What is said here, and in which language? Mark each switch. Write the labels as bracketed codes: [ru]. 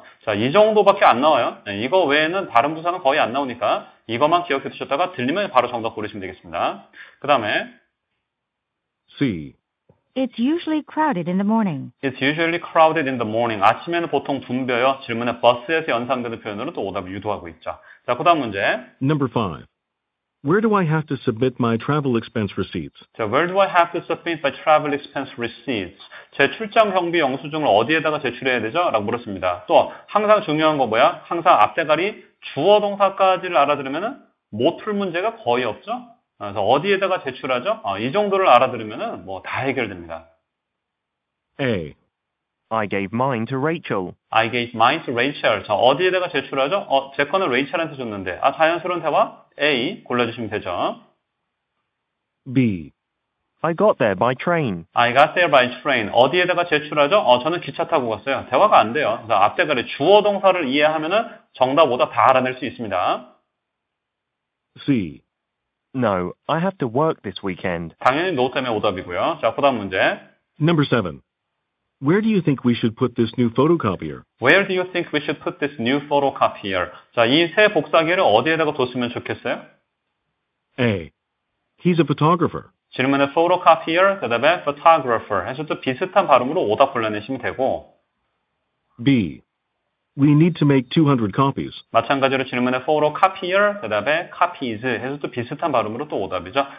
[ko] 자, 이 정도밖에 안 나와요. 이거 외에는 다른 부사는 거의 안 나오니까 이것만 기억해 두셨다가 들리면 바로 정답 고르시면 되겠습니다. 그 다음에 [en] C. It's usually crowded in the morning. It's usually crowded in the morning. [ko] 아침에는 보통 붐벼요. 질문에 버스에서 연상되는 표현으로 또 오답을 유도하고 있죠. 자, 그 다음 문제. [en] Number 5. Where do I have to submit my travel expense receipts? 자, where do I have to submit my travel expense receipts? [ko] 제 출장 경비 영수증을 어디에다가 제출해야 되죠? 라고 물었습니다. 또 항상 중요한 거 뭐야? 항상 앞대가리 주어 동사까지를 알아들으면은 못 풀 문제가 거의 없죠? 그래서 어디에다가 제출하죠? 이 정도를 알아들으면 뭐 다 해결됩니다. [en] A. I gave mine to Rachel. I gave mine to Rachel. [ko] 자, 어디에다가 제출하죠? 제 거는 Rachel한테 줬는데. 아, 자연스러운 대화 A 골라주시면 되죠. [en] B. I got there by train. I got there by train. [ko] 어디에다가 제출하죠? 저는 기차 타고 갔어요. 대화가 안 돼요. 그래서 앞대가리 주어 동사를 이해하면 정답보다 다 알아낼 수 있습니다. [en] C. No, I have to work this weekend. [ko] 당연히 no 때문에 오답이고요. 자, 그 다음 문제. [en] Number 7. Where do you think we should put this new photocopier? Where do you think we should put this new photocopier? [ko] 자, 이 새 복사기를 어디에다가 뒀으면 좋겠어요? [en] A. He's a photographer. [ko] 질문에 photocopier, 대답에 photographer. 해서 또 비슷한 발음으로 오답 골라내시면 되고. [en] B. We need to make 200 copies. [ko] 마찬가지로 질문에 photocopier, 대답에 copies 해서 또 비슷한 발음으로 또 오답이죠.